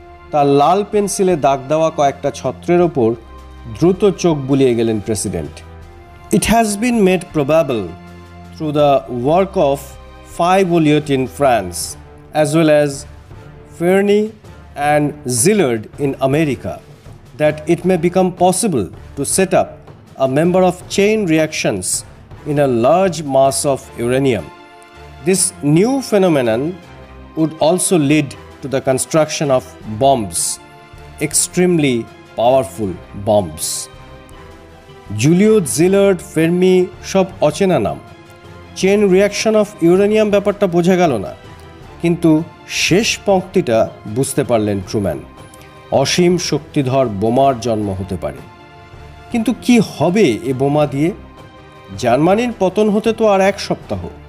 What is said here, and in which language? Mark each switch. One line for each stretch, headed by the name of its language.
Bangla: তার লাল পেন্সিলে দাগ দেওয়া কয়েকটা ছত্রের ওপর দ্রুত চোখ বুলিয়ে গেলেন president,
English: "It has been made probable through the work of ৫ Joliot in France as well as Fermi and Szilard in America that it may become possible to set up a member of chain reactions in a large mass of uranium this new phenomenon would also lead to the construction of bombs, extremely powerful bombs.
Bangla: Julio Szilard ফেরমি সব অচেনা নাম, chain reaction of uranium ব্যাপারটা বোঝা গেল না, কিন্তু শেষ পঙ্ক্তিটা বুঝতে পারলেন ট্রুম্যান, অসীম শক্তিধর বোমার জন্ম হতে পারে। কিন্তু কি হবে এ বোমা দিয়ে? জার্মানির পতন হতে তো আর এক সপ্তাহ।